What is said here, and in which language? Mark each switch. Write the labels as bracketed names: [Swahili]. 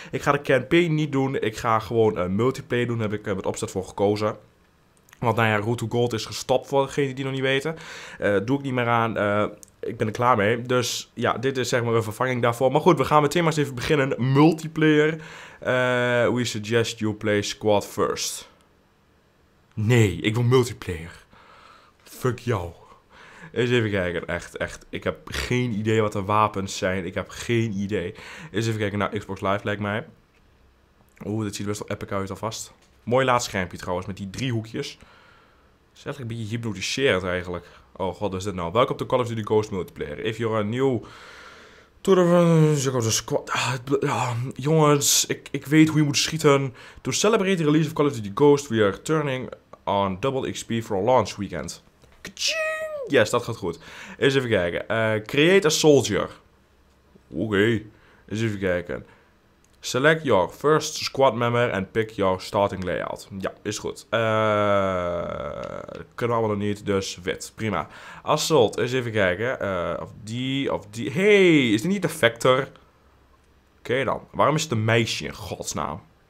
[Dutch] Ik ga de campaign niet doen. Ik ga gewoon multiplayer doen, heb ik met opzet voor gekozen. Want nou ja, Road to Gold is gestopt voor degenen die nog niet weten. Doe ik niet meer aan. Ik ben er klaar mee. Dus ja, dit is zeg maar een vervanging daarvoor. Maar goed, we gaan meteen maar eens even beginnen. [English] Multiplayer. We suggest you play squad first. [Dutch] Nee, ik wil multiplayer. Fuck jou. Eens even kijken, echt. Ik heb geen idee wat de wapens zijn. Ik heb geen idee. Eens even kijken naar Xbox Live, lijkt mij. Oeh, dit ziet best wel epic uit alvast. Mooi laatste schermpje trouwens, met die drie hoekjes. Het is eigenlijk een beetje hypnotiserend eigenlijk. Oh god, wat is dit nou? Welkom to Call of Duty Ghost Multiplayer. [English] If you're a new... To the squad... [Dutch] jongens, ik weet hoe je moet schieten. [English] To celebrate the release of Call of Duty Ghost, we are turning on double XP for a launch weekend. [Dutch] Ka-ching! Yes, dat gaat goed. Eens even kijken. [English] Create a soldier. [Dutch] Oké. Eens even kijken. [English] Select your first squad member and pick your starting layout. [Dutch] Ja, is goed. Kunnen we allemaal nog niet, dus wit. Prima. Assault, eens even kijken. Of die. Hey, is die niet de Vector? Oké dan. Waarom is het een meisje in godsnaam?